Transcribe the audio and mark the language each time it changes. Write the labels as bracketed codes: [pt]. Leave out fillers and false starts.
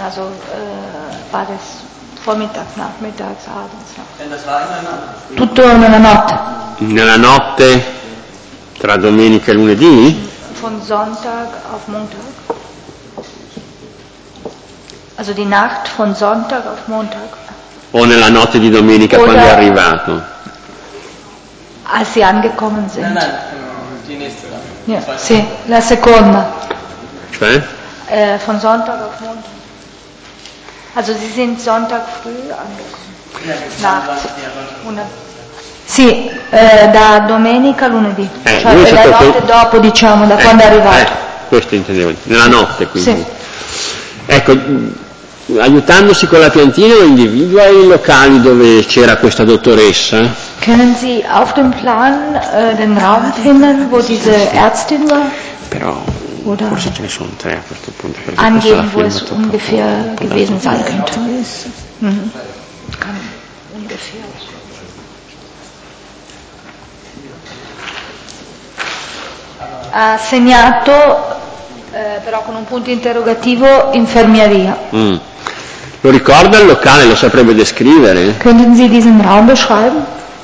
[de] Also war das Vormittag, Nachmittag, Abends? Denn das war in der Nacht. [it] Tutto nella notte. Nella notte tra domenica e lunedì? [de] Von Sonntag auf Montag. Also die Nacht von Sonntag auf Montag. [it] O nella notte di domenica. [de] Oder [it] quando è arrivato. [de] Als sie angekommen sind. Nein, nein, die nächste. [it] Yeah. Sì, la seconda. Cioè? [de] Von Sonntag auf Montag. Also sie sind Sonntag früh angekommen. Ja, [it] Nacht. Sì, da domenica a lunedì, cioè la notte dopo, diciamo, da quando è arrivato. Questo intendevo, nella notte quindi. Sì. Ecco, aiutandosi con la piantina individua i locali dove c'era questa dottoressa. [de] Können Sie auf dem Plan den Raum finden, wo diese Ärztin war? [it] Però oder forse ce ne sono tre a questo punto. [de] Angeben, wo es ungefähr gewesen sein könnte. Ungefähr. [it] Ha segnato però con un punto interrogativo infermeria. Lo ricorda il locale, lo saprebbe descrivere? [de] Können Sie diesen Raum beschreiben?